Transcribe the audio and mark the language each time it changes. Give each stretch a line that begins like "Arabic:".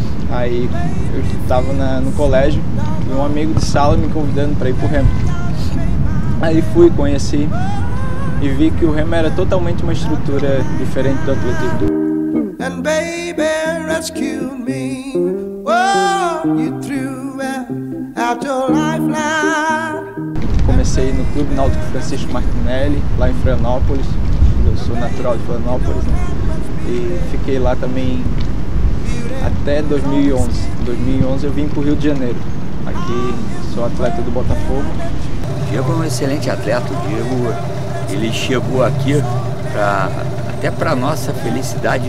Portuguese: Aí eu estava no colégio e um amigo de sala me convidando para ir para o remo. Aí fui, conheci e vi que o remo era totalmente uma estrutura diferente do atletismo.
English: And baby, rescue me. Oh, you threw out your lifeline.
Portuguese: Comecei no Clube Náutico Francisco Martinelli, lá em Florianópolis. Eu sou natural de Florianópolis, né? E fiquei lá também até 2011. Em 2011 eu vim para o Rio de Janeiro. Aqui sou atleta do Botafogo. O Diego é um excelente atleta. O Diego, ele chegou aqui pra, até para nossa felicidade.